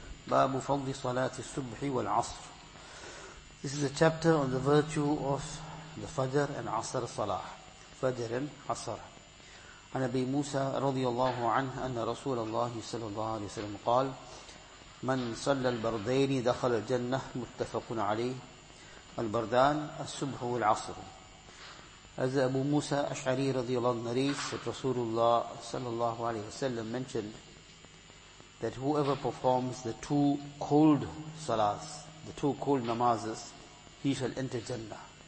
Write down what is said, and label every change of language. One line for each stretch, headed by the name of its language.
Arabic: باب فضل صلاة الصبح والعصر.
English: This is a chapter on the virtue of the Fajr and Asr Salah. Fajr and Asr.
Arabic: عن أبي موسى رضي الله عنه أن رسول الله صلى الله عليه وسلم قال من صلى البردين دخل الجنة متفق عليه. البردان الصبح والعصر.
English: As Abu Musa Ash'ari رضي الله عنه narrates that Rasulullah صلى الله عليه وسلم mentioned that whoever performs the two cold salahs, the two cold namazes, he shall enter Jannah.